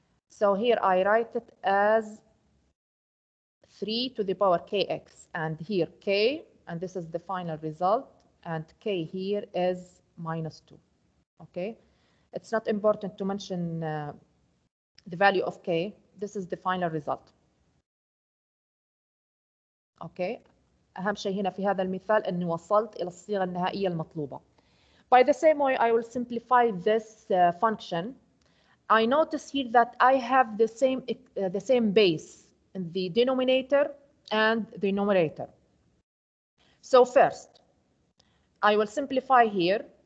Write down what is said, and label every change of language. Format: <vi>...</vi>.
<en>So here I write it as 3 to the power kx, and here k, and this is the final result, and k here is minus 2, okay? It's not important to mention the value of k, this is the final result.</en> <ar>Okay, أهم شيء هنا في هذا المثال أني وصلت إلى الصيغة النهائية المطلوبة.</ar> <en>By the same way, I will simplify this function. I notice here that I have the same base in the denominator and the numerator. So first, I will simplify here.</en>